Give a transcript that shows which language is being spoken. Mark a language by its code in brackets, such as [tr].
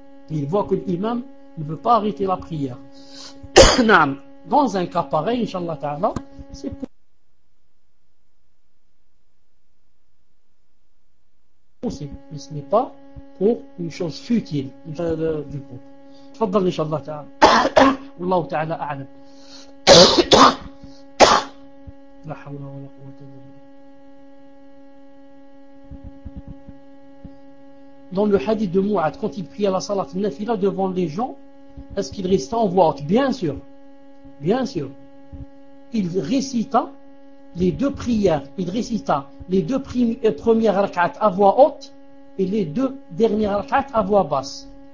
[fr] Et il voit que l'imam ne veut pas arrêter la prière. Dans un cas pareil, Inch'Allah ta'ala, c'est possible, mais ce n'est pas pour une chose futile du groupe. [ar] تفضل إن شاء الله تعالى والله تعالى أعلم لا حول ولا قوة إلا بالله. [fr] Dans le hadith de Mu'ad, quand il priait la salat nafila devant les gens, est-ce qu'il restait en voix haute? Bien sûr, il récita les deux prières, il récita les deux premières rak'at à voix haute et les deux dernières rak'at à voix basse.